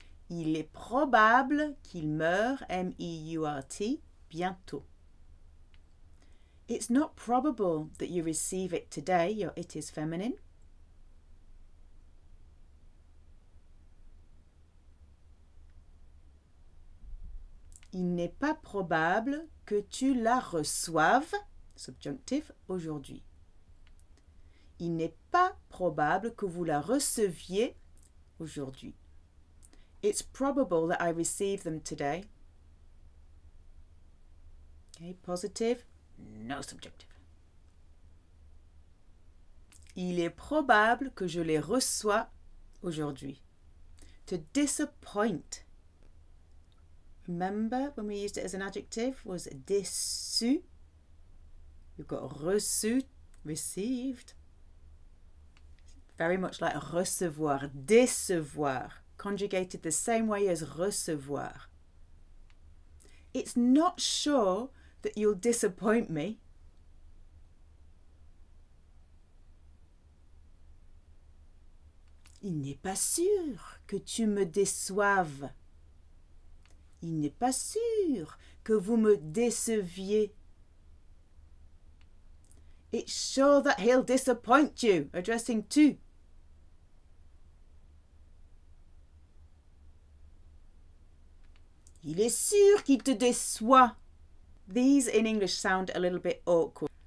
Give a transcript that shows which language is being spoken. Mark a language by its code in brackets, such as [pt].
[fr] Il est probable qu'il meure, M-E-U-R-T, bientôt. [en] It's not probable that you receive it today, your it is feminine. [fr] Il n'est pas probable que tu la reçoives, subjunctive, aujourd'hui. Il n'est pas probable que vous la receviez aujourd'hui. [en] It's probable that I receive them today, Okay, positive, no subjective. [fr] Il est probable que je les reçois aujourd'hui. [en] To disappoint. Remember when we used it as an adjective was déçu. You've got reçu, received. Very much like recevoir, décevoir. Conjugated the same way as recevoir. It's not sure that you'll disappoint me. [fr] Il n'est pas sûr que tu me déçoives. Il n'est pas sûr que vous me déceviez. [en] It's sure that he'll disappoint you, addressing to. [fr] Il est sûr qu'il te déçoit. [en] These in English sound a little bit awkward.